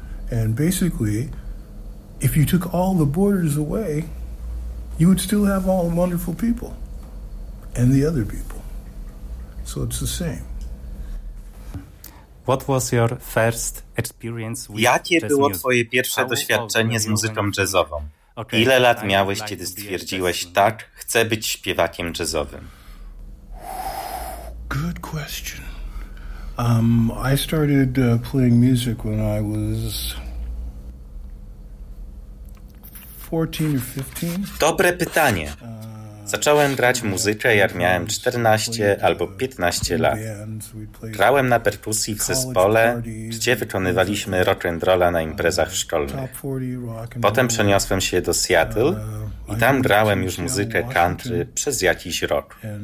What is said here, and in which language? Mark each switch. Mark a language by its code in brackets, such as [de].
[en] And basically, if you took all the borders away, you would still have all the wonderful people and the other people. So it's the same. What was your first experience with [pl] Jakie było twoje pierwsze doświadczenie z muzyką jazzową? Okay. Ile lat miałeś, kiedy stwierdziłeś, tak, chcę być śpiewakiem jazzowym? [en] Good question. I started playing music when I was 14 or 15. [pl] Dobre pytanie. Zacząłem grać muzykę, jak miałem 14 albo 15 lat. Grałem na perkusji w zespole, gdzie wykonywaliśmy rock and rolla na imprezach szkolnych. Potem przeniosłem się do Seattle i tam grałem już muzykę country przez jakiś rok.